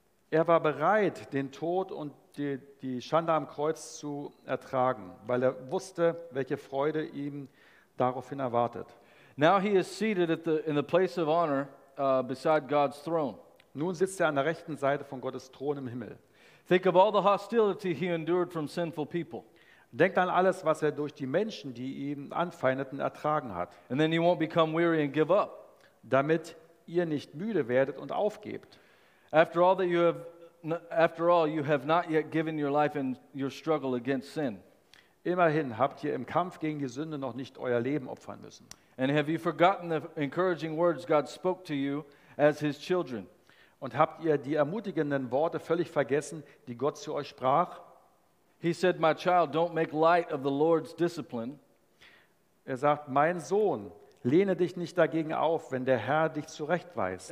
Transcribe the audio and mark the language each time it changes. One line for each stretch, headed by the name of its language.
German: Er war bereit, den Tod und die Schande am Kreuz zu ertragen, weil er wusste, welche Freude ihm daraufhin erwartet.
English: Now he is seated in the place of honor beside God's throne.
German: Nun sitzt er an der rechten Seite von Gottes Thron im Himmel.
English: Think of all the hostility he endured from sinful people.
German: Denkt an alles, was er durch die Menschen, die ihn anfeindeten, ertragen hat.
English: And then you won't become weary and give up.
German: Damit ihr nicht müde werdet und aufgebt.
English: After all, you have not yet given your life in your struggle against sin.
German: Immerhin habt ihr im Kampf gegen die Sünde noch nicht euer Leben opfern müssen.
English: And have you forgotten the encouraging words God spoke to you as his children?
German: Und habt ihr die ermutigenden Worte völlig vergessen, die Gott zu euch sprach?
English: He said, my child, don't make light of the Lord's discipline.
German: Er sagt, mein Sohn, lehne dich nicht dagegen auf, wenn der Herr dich zurechtweist.